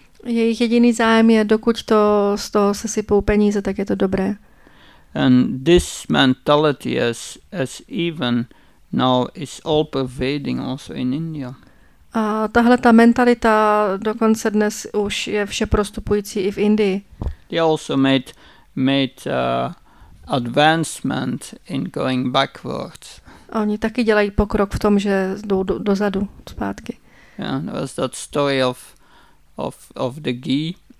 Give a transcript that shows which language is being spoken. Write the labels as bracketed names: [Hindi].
[Czech] Jejich jediný zájem je, dokud to z toho se sypou peníze, tak je to dobré. [English] And this mentality as even now is all pervading also in India. [Czech] A tahle ta mentalita dokonce dnes už je vše prostupující i v Indii. [English] They also made advancement in going backwards. [Czech] A oni taky dělají pokrok v tom, že jdou dozadu, zpátky. [English] Yeah, there was that story of the ghee.